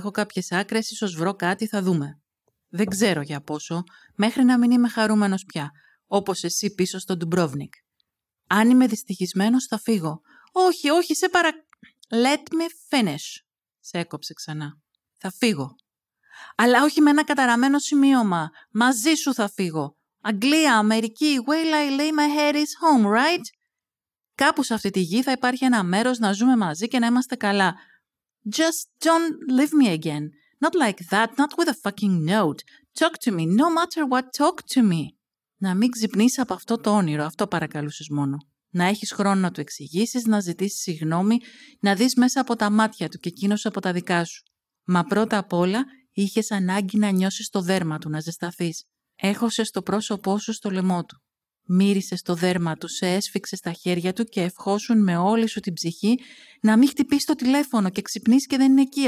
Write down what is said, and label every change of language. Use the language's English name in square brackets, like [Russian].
[Greek] Έχω κάποιες άκρες, ίσως βρω κάτι, θα δούμε. Δεν ξέρω για πόσο, μέχρι να μην είμαι χαρούμενος πια, όπως εσύ πίσω στο Ντουμπρόβνικ. Αν είμαι δυστυχισμένος, θα φύγω. Όχι, όχι, σε παρα... [English] Let me finish», [Greek] σε έκοψε ξανά. «Θα φύγω. Αλλά όχι με ένα καταραμένο σημείωμα. Μαζί σου θα φύγω. [English] Αγγλία, Αμερική, where I lay my head is home, right? [Greek] Κάπου σε αυτή τη γη θα υπάρχει ένα μέρος να ζούμε μαζί και να είμαστε καλά. [English] Just don't leave me again. Not like that, not with a fucking note. Talk to me, no matter what, talk to me». [Greek] «Να μην ξυπνήσεις από αυτό το όνειρο, αυτό παρακαλούσες μόνο. Να έχεις χρόνο να του εξηγήσεις, να ζητήσεις συγγνώμη, να δεις μέσα από τα μάτια του και εκείνος από τα δικά σου. Μα πρώτα απ' όλα, είχες ανάγκη να νιώσεις το δέρμα του, να ζεσταθείς. Έχωσες το πρόσωπό σου στο λαιμό του. Μύρισες το δέρμα του, σε έσφιξες στα χέρια του και ευχόσουν με όλη σου την ψυχή να μην χτυπήσει το τηλέφωνο και ξυπνείς και δεν είναι εκεί.